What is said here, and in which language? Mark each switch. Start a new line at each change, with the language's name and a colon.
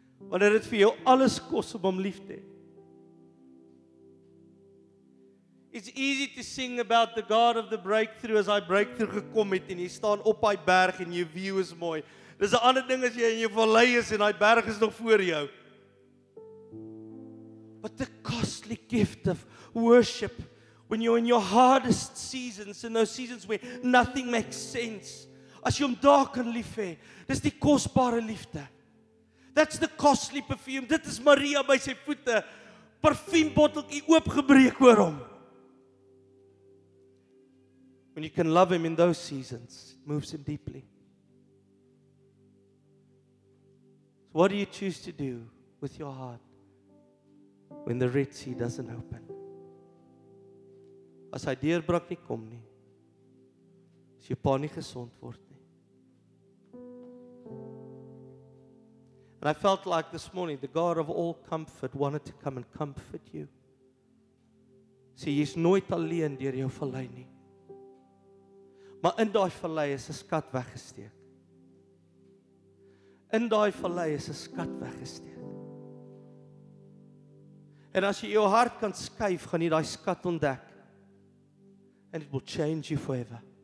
Afrikaans: Wanneer dit vir jou alles kos om hom lief te hê.
English: It's easy to sing about the God of the breakthrough
Afrikaans: as hy breakthrough gekom het en jy staan op hy berg en jou view is mooi. Dis 'n ander ding as jy in jou vallei is en hy berg is nog voor jou.
English: But the costly gift of worship when you're in your hardest seasons, in those seasons where nothing makes sense.
Afrikaans: As jy hom daar kan lief hê, dis die kosbare liefde.
English: That's the costly perfume.
Afrikaans: Dit is Maria by sy voete, parfuumbotteltjie oopgebreek oor hom.
English: When you can love him in those seasons, it moves him deeply. So what do you choose to do with your heart when the Red Sea doesn't open?
Afrikaans: As hy deurbraak nie kom nie, as jou pa nie gesond word nie.
English: And I felt like this morning, the God of all comfort wanted to come and comfort you.
Afrikaans: See, jy is nooit alleen deur jou vallei nie. Maar in daai vallei is 'n skat weggesteek. In daai vallei is 'n skat weggesteek. En as jy jou hart kan skuif, gaan jy daai skat ontdek.
English: And it will change you forever.